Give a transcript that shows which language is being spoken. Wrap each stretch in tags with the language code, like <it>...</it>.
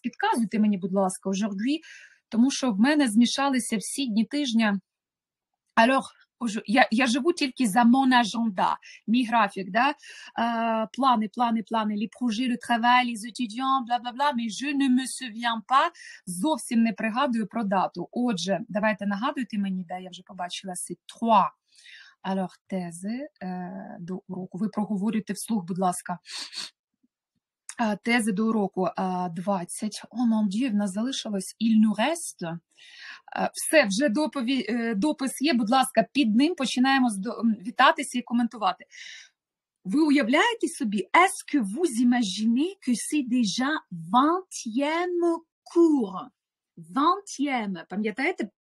<uk>Підказуйте мені, будь ласка,</uk> <fr>aujourd'hui,</fr> <uk>тому що в мене змішалися всі дні тижня.</uk> <fr>Alors,</fr> <uk>я живу тільки за</uk> <fr>mon agenda,</fr> <uk>мій графік, да? Плани, плани, плани,</uk> <fr>les projets, le travail, les étudiants, бла-бла-бла, mais je ne me souviens pas,</fr> <uk>зовсім не пригадую про дату. Отже, давайте нагадуйте мені, да, я вже побачила,</uk> <fr>c'est trois. Alors,</fr> <uk>тези до уроку, ви проговорюйте вслух, будь ласка. Тези до уроку 20.</uk> <fr>О, мон д'ю,</fr> <uk>в нас залишилось</uk> <fr>«il nous reste».</fr> <uk>Все, вже допис є, будь ласка, під ним починаємо вітатися і коментувати. Ви уявляєте собі,</uk> <fr>«est-ce que vous imaginez que c'est déjà 20e cours?» 20e,</fr> <uk>пам'ятаєте?</uk>